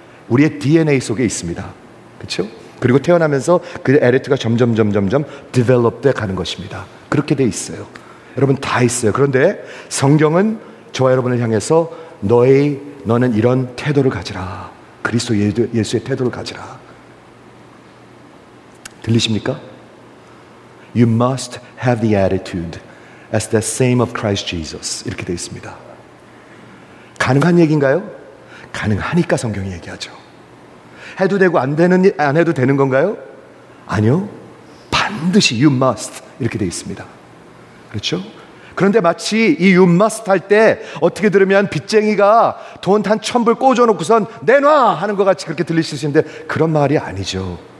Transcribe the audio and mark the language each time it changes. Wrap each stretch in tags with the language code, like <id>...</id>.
<ko>우리의 DNA 속에 있습니다. 그렇죠? 그리고 태어나면서 그 attitude가 점점 develop돼 가는 것입니다. 그렇게 돼 있어요. 여러분 다 있어요. 그런데 성경은 저와 여러분을 향해서 너는 이런 태도를 가지라. 그리스도 예수의 태도를 가지라. 들리십니까?</ko> <en>You must have the attitude as the same of Christ Jesus.</en> <ko>이렇게 되어 있습니다. 가능한 얘기인가요? 가능하니까 성경이 얘기하죠. 해도 되고 안 해도 되는 건가요? 아니요. 반드시</ko> <en>you must</en> <ko>이렇게 되어 있습니다. 그렇죠? 그런데 마치 이 you must 할 때 어떻게 들으면 빚쟁이가 돈 한 1,000불 꽂아놓고선 내놔 하는 것 같이 그렇게 들릴 수 있는데 그런 말이 아니죠.</ko>